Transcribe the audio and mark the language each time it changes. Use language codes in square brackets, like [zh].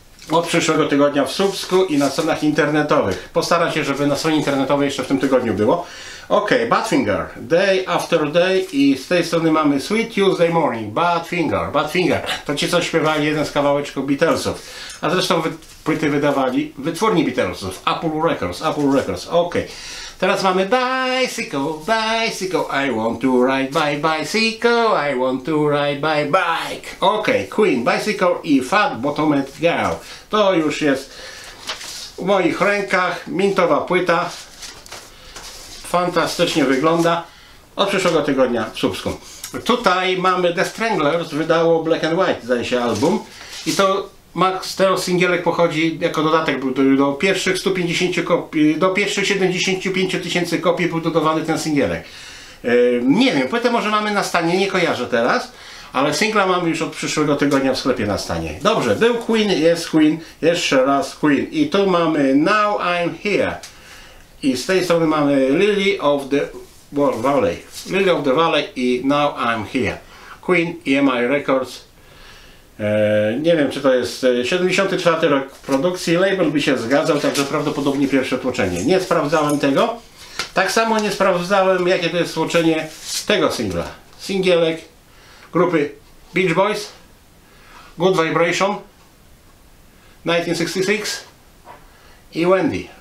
[pl] Od przyszłego tygodnia w Słupsku i na stronach internetowych. Postaram się, żeby na stronie internetowej jeszcze w tym tygodniu było. Ok, Badfinger, Day After Day i z tej strony mamy Sweet Tuesday Morning, Badfinger. To ci, co śpiewali jeden z kawałeczków Beatlesów. A zresztą płyty wydawali wytwórni Beatlesów, Apple Records. [en] Ok, [pl] teraz mamy [en] Bicycle, I want to ride by bicycle, I want to ride by bike. [pl] Ok, Queen, Bicycle i Fat Bottomed Girl. To już jest w moich rękach, mintowa płyta. Fantastycznie wygląda. Od przyszłego tygodnia w Słupsku. Tutaj mamy The Stranglers, wydało Black and White, zdaje się, album. I to Max Steel singielek pochodzi jako dodatek do pierwszych 150 kopii, do pierwszych 75 tysięcy kopii był dodawany ten singielek. Nie wiem, płytę może mamy na stanie, nie kojarzę teraz, ale singla mamy już od przyszłego tygodnia w sklepie na stanie. Dobrze, był Queen, jest Queen, jeszcze raz Queen. I tu mamy Now I'm Here. I z tej strony mamy Lily of the Valley. Lily of the Valley i Now I'm Here. Queen, EMI Records. Nie wiem, czy to jest 74 rok produkcji. Label by się zgadzał, także prawdopodobnie pierwsze tłoczenie. Nie sprawdzałem tego. Tak samo nie sprawdzałem, jakie to jest tłoczenie tego singla. Singielek grupy Beach Boys, Good Vibration, 1966 i Wendy.